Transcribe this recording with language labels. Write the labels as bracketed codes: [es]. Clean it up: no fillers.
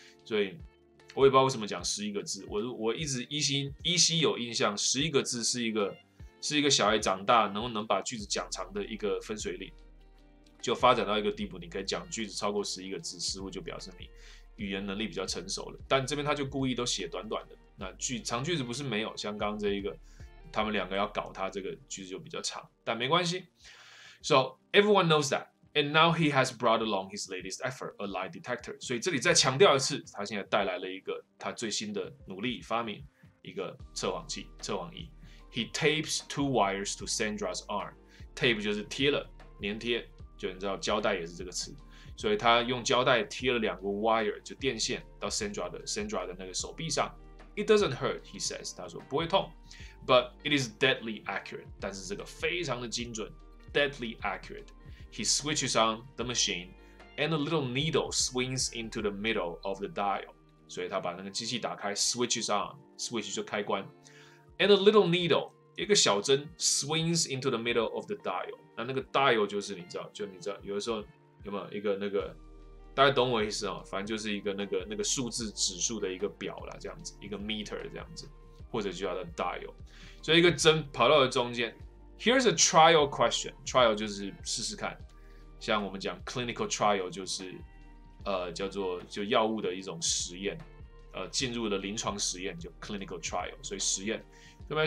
[zh] 所以我也不知道为什么讲11个字，我一直依稀有印象，11个字是一个小孩长大能把句子讲长的一个分水岭。就发展到一个地步，你可以讲句子超过11个字，似乎就表示你语言能力比较成熟了。但这边他就故意都写短短的，那长句子不是没有，像刚刚这一个，他们两个要搞他这个句子就比较长，但没关系。 [en] So everyone knows that, and now he has brought along his latest effort, a lie detector. [zh] 所以这里再强调一次，他现在带来了一个他最新的努力发明，一个测谎器、测谎仪。 [en] He tapes two wires to Sandra's arm. Tape [zh] 就是贴了，粘贴。就你知道胶带也是这个词，所以他用胶带贴了两个 wire 就电线到 Sandra 的那个手臂上。 [en] It doesn't hurt, he says. [zh] 他说不会痛。 [en] But it is deadly accurate. [zh] 但是这个非常的精准。 [en] Deadly accurate. He switches on the machine, and a little needle swings into the middle of the dial. [zh] 所以他把那个机器打开 ， [en] switches on, [zh] switch 就开关。 [en] And a little needle, [zh] 一个小针 [en] swings into the middle of the dial. [zh] 那那个 dial 就是你知道，就你知道，有的时候有没有一个那个？大家懂我意思啊、哦，反正就是一个那个数字指数的一个表啦，这样子，一个 meter 这样子，或者叫它的 dial， 所以一个针跑到了中间。 [en] Here's a trial question. [zh] Trial 就是试试看，像我们讲 clinical trial 就是叫做就药物的一种实验，进入了临床实验就 clinical trial， 所以实验。对吧？